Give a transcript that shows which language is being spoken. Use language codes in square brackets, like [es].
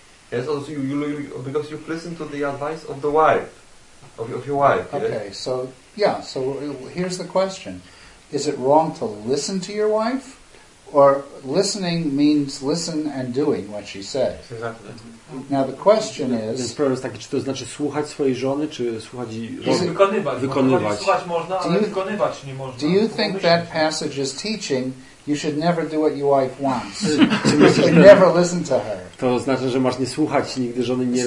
[en] Yes, also because you've listened to the advice of the wife. So here's the question. Is it wrong to listen to your wife? Or listening means listen and doing what she says. Exactly. Now the question is... [pl] Więc problem jest taki, czy to znaczy słuchać swojej żony, czy słuchać... Wykonywać. Słuchać można, ale wykonywać nie można. [en] Do you think that passage is teaching you should never do what your wife wants? You should never listen to her. [pl] To znaczy, że masz nie słuchać nigdy żony, nie